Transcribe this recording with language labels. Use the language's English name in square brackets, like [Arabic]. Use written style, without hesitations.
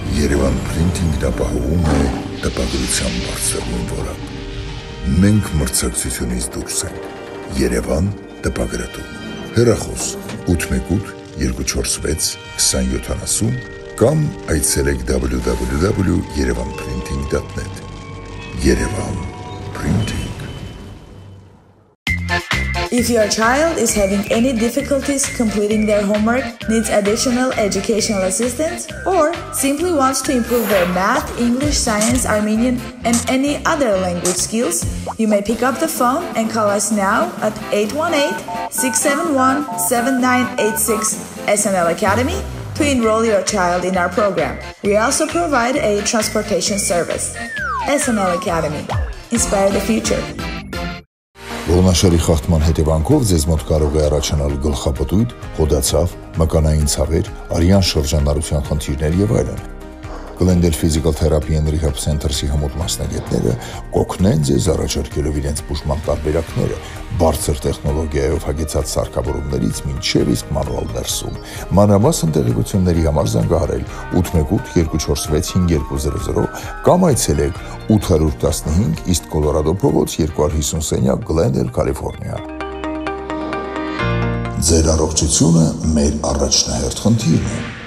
[Armenian] Երևան պրինտինգ դապահովում է տպագրության բարձրագույն որակ։ Մենք մրցակցությունից դուրս ենք։ Երևան տպագրատու։ Հեռախոս 818-246-2770 կամ այցելեք www.yerevanprinting.net։ Երևան պրինտինգ։ [English] If your child is having any difficulties completing their homework, needs additional educational assistance, or simply wants to improve their math, English, science, Armenian, and any other language skills, you may pick up the phone and call us now at 818-671-7986 SNL Academy to enroll your child in our program. We also provide a transportation service. SNL Academy. Inspire the future. [Armenian] Ողնաշարի խախտման հետևանքով ձեզ մոտ կարող է առաջանալ գլխապտույտ, հոդացավ, մկանային ցավեր, արյան շրջանառության խնդիրներ եւ այլն։ Glendale Physical Therapy and Rehab Center-ի համոզմամբ մասնագետները կօգնեն ձեզ առաջարկելով իրենց բուժման տարբերակները՝ բարձր տեխնոլոգիայով հագեցած սարքավորումներից մինչև իսկ մանուալ ներսում։ Մանրամասն տեղեկությունների համար զանգահարել 818-246-5200 կամ այցելեք 815 East Colorado փողոց 250 սենյակ Glendale, California։ Ձեր առողջությունը մեր առաջնահերթ խնդիրն է։